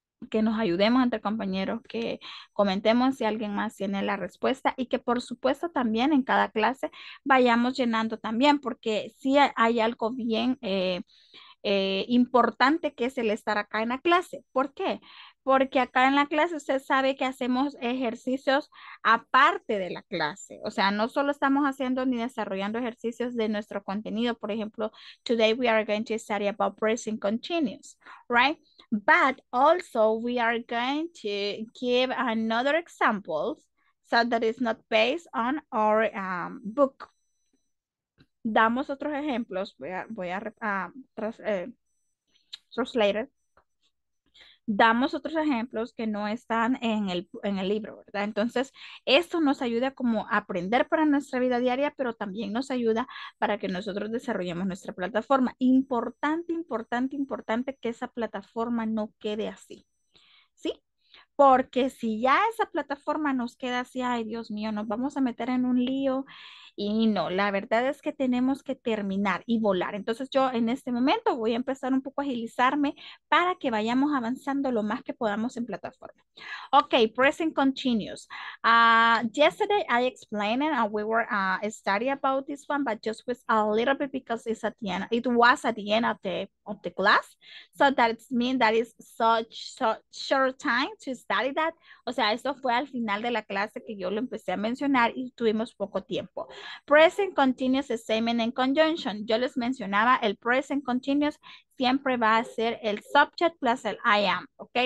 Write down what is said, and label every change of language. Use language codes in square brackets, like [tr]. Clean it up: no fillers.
[es] Que nos ayudemos entre compañeros, que comentemos si alguien más tiene la respuesta y que por supuesto también en cada clase vayamos llenando también, porque sí hay algo bien importante que es el estar acá en la clase. ¿Por qué? Porque acá en la clase usted sabe que hacemos ejercicios aparte de la clase. O sea, no solo estamos haciendo ni desarrollando ejercicios de nuestro contenido. Por ejemplo, [en] today we are going to study about present continuous, right? But also we are going to give another example so that it's not based on our book. [es] Damos otros ejemplos. Translated. Damos otros ejemplos que no están en el libro, ¿verdad? Entonces, esto nos ayuda como a aprender para nuestra vida diaria, pero también nos ayuda para que nosotros desarrollemos nuestra plataforma. Importante, importante, importante que esa plataforma no quede así, ¿sí? Porque si ya esa plataforma nos queda así, ay, Dios mío, nos vamos a meter en un lío. Y no, la verdad es que tenemos que terminar y volar. Entonces yo en este momento voy a empezar un poco a agilizarme para que vayamos avanzando lo más que podamos en plataforma. [en] Ok, present continuous. Yesterday I explained and we were studying about this one, but just with a little bit because it's at the end, it was at the end of the class. So that means that it's such short time to study that. [es] O sea, esto fue al final de la clase que yo lo empecé a mencionar y tuvimos poco tiempo. [en] Present continuous statement and conjunction. [es] Yo les mencionaba, el present continuous siempre va a ser el subject plus el I am, ¿ok?